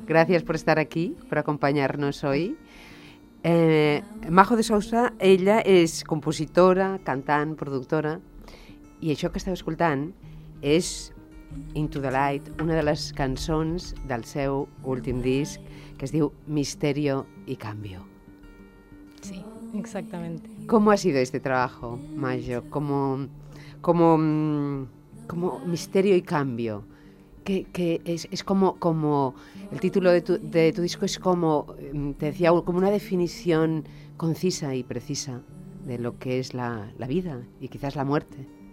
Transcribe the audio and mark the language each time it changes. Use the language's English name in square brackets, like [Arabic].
[Spanish] Gracias por estar aquí, por acompañarnos hoy. [Catalan] Majo de Souza, ella és compositora, cantant, productora, i això que esteu escoltant és Into the Light, una de les cançons del seu últim disc, que es diu Misterio y Cambio. [Spanish] Sí, exactamente. ¿Cómo ha sido este trabajo, Majo? Como Misterio y Cambio, que es como el título de tu disco es como, te decía, como una definición concisa y precisa de lo que es la vida y quizás la muerte.